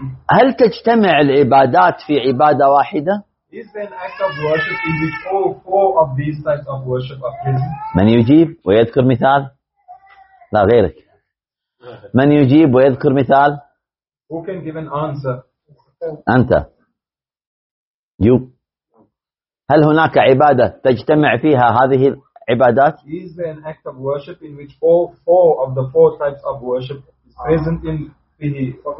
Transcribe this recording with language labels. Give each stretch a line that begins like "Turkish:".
Arabic: هل تجتمع العبادات في عبادة واحدة؟
English: Is there an act of worship in which all four of these types of worship are present?
Arabic: من يجيب ويذكر مثال؟ لا غيرك. من يجيب ويذكر مثال؟
English: Who can give an answer?
Arabic: أنت. You. هل هناك عبادة تجتمع فيها هذه العبادات؟
English: Is there an act of worship in which all four of the four types of worship is present in فيه؟